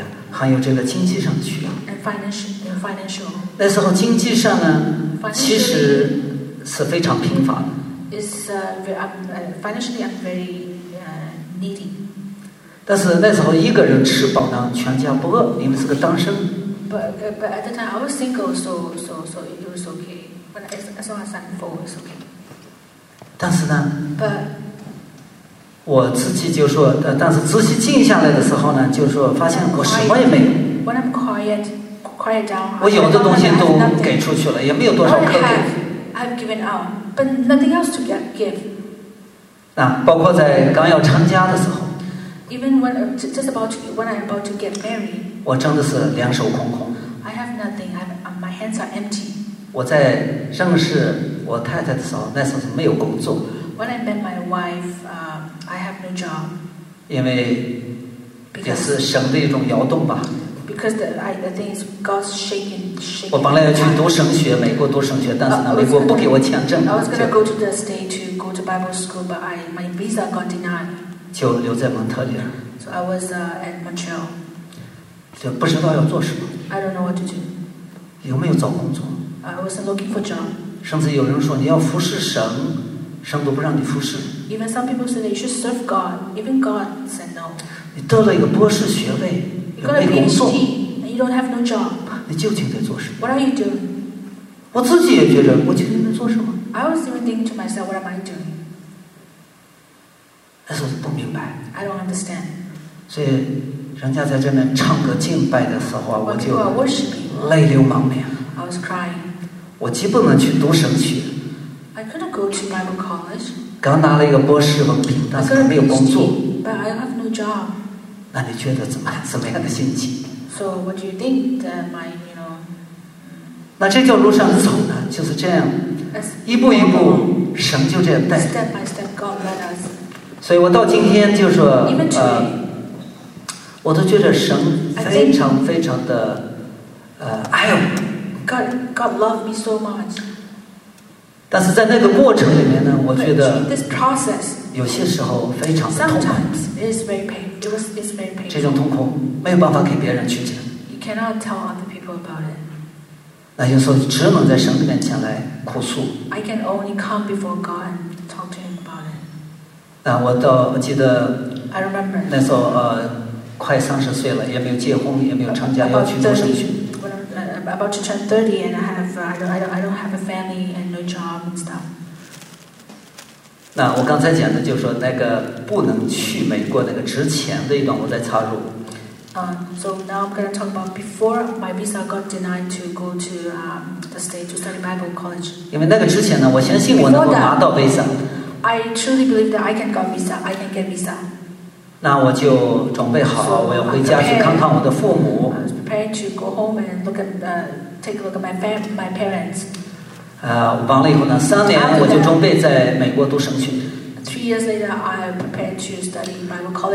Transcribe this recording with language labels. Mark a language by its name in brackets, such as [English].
[Chinese] 还有这个经济上的需要。 [English] And financial. [Chinese] 那时候经济上呢，其实是非常贫乏的。 [English] Financially, I'm very needy. [Chinese] 但是那时候一个人吃饱呢，全家不饿，因为是个单身。 [English] But at the time I was single, so it was okay. But as long as I'm full, it's okay. [Chinese] 但是呢。 [English] But, [Chinese] 我自己就说，但是自己静下来的时候呢，就说发现我什么也没有。 [English] When I'm quiet down, [Chinese] 我有的东西都给出去了，也没有多少可给。 [English] I've given out, but nothing else to give. [Chinese] 啊，包括在刚要成家的时候。 [English] Even when I'm about to get married. [Chinese] 我真的是两手空空。 [English] I have nothing. My hands are empty. [Chinese] 我在认识我太太的时候，那时候是没有工作。 [English] When I met my wife, I have no job. [Chinese] 因为也是神的一种摇动吧。 [English] Because the thing is God's shaking. [Chinese] 我本来要去读神学，美国读神学，但是呢，美国不给我签证。 [English] I was going to go to the state to go to Bible school, but my visa got denied. [Chinese] 就留在蒙特利尔。 [English] So I was at Montreal. [Chinese] 就不知道要做什么。 [English] I don't know what to do. [Chinese] 有没有找工作 [English] ？I wasn't looking for job. [Chinese] 甚至有人说你要服侍神。神都不让你服侍。 [English] Even some people say that you should serve God. Even God said no. [Chinese] 你得了一个博士学位，有没工作 [English] ？And you don't have no job. [Chinese] 你究竟在做什么 [English] ？What are you doing? [Chinese] 我自己也觉得，我究竟在做什么 [English] ？I was even thinking to myself, what am I doing? [Chinese] 那时候不明白。 [English] I don't understand. [Chinese] 所以人家在这边唱歌敬拜的时候啊，我就泪流满面。 [English] I was crying. [Chinese] 我既不能去读神学。 [English] I couldn't go to Bible college. [Chinese] 刚拿了一个博士文凭，但是没有工作。 [English] But I have no job. [Chinese] 那你觉得怎么样的心情 [English] ？So what do you think that my you know? [Chinese] 那这条路上走呢，就是这样，一步一步，神就这样带。 [English] Step by step, God led us. [Chinese] 所以我到今天就说，我都觉得神非常非常的，爱我。 [English] God loved me so much. [Chinese] 但是在那个过程里面呢，我觉得 [English] this process, [Chinese] 有些时候非常的痛苦。 [English] Sometimes it's very painful. It's very painful. [Chinese] 这种痛苦没有办法给别人去讲。 [English] You cannot tell other people about it. [Chinese] 那有时候只能在神面前来哭诉。 [English] I can only come before God and talk to Him about it. [Chinese] 那我记得 [English] I remember [Chinese] 那时候快30岁了，也没有结婚，也没有成家，要去读神学。 [English] About to turn 30, and I don't have a family and no job and stuff. [Chinese] 那我刚才讲的就是说那个不能去美国那个之前的一段，我在插入。 [English] So now I'm going to talk about before my visa got denied to go to the state to study Bible college. [Chinese] 因为那个之前呢，我相信我能够拿到 visa. [English] I truly believe that I can get visa. I can get visa. [Chinese] 那我就准备好了，我要回家去看看我的父母。 [English] I was prepared to go home and look at take a look at my parents. [Chinese] 完了以后呢，三年我就准备在美国读神学。 [English] 3 years later, I prepared to study Bible college.